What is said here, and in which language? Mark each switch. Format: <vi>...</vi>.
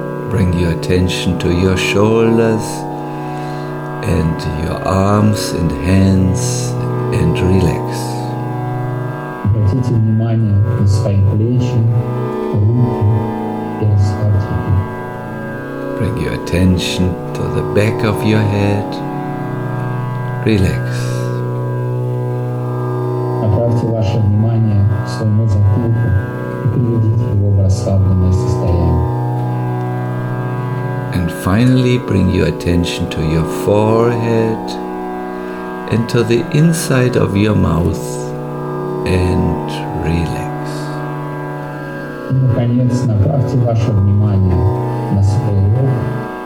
<en>Bring your attention to your shoulders and your arms and hands and relax.</en> <ru>Обратите внимание на свои плечи, руки и расслабьте их.</ru> <en>Bring your attention to the back of your head. Relax.</en> <ru>Направьте ваше внимание к своему затылку и приведите его в расслабленное состояние.</ru> <en>And finally, bring your attention to your forehead and to the inside of your mouth and relax.</en> <ru>И, наконец, направьте ваше внимание на свой рот.</ru>